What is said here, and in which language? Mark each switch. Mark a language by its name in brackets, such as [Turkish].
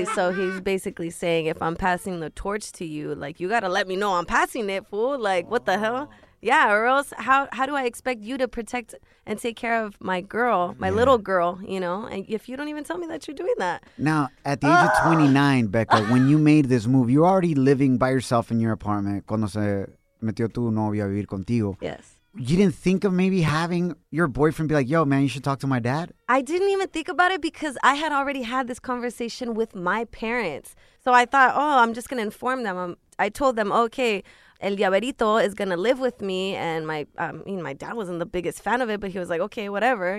[English] Yeah. So he's basically saying, if I'm passing the torch to you, like, you got to let me know I'm passing it, fool. Like, what the hell? Yeah, or else how do I expect you to protect and take care of my girl, my yeah. little girl, you know, and if you don't even tell me that you're doing that. Now, at the age of 29, Becca, when you made this move, you're already living by yourself in your apartment. [Spanish] Cuando se metió tu novia a vivir contigo. [English] Yes. You didn't think of maybe having your boyfriend be like, yo, man, you should talk to my dad? I didn't even think about it because I had already had this conversation with my parents. So I thought, oh, I'm just going to inform them. I told them, okay, El Llaverito is going to live with me. And my dad wasn't the biggest fan of it, but he was like, okay, whatever.